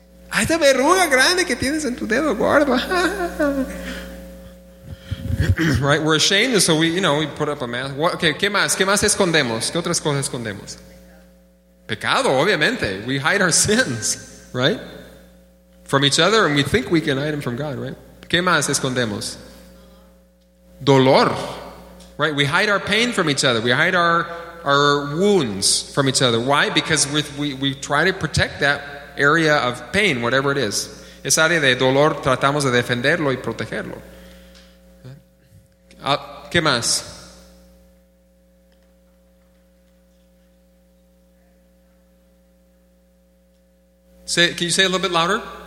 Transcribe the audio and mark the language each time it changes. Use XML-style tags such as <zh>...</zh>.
<es>Ah, esta verruga grande que tienes en tu dedo, guarda.</es> <en>Right? We're ashamed, so we, you know, we put up a mask. What,</en> <es>okay, ¿qué más? ¿Qué más escondemos? ¿Qué otras cosas escondemos? Pecado, obviamente.</es> <en>We hide our sins, right? From each other, and we think we can hide them from God, right?</en> <es>¿Qué más escondemos?</es> <en>Dolor, right? We hide our pain from each other. We hide our wounds from each other. Why? Because we try to protect that area of pain, whatever it is.</en> <es>Esa área de dolor, tratamos de defenderlo y protegerlo. ¿Qué más?</es> <en>Can you say a little bit louder?</en>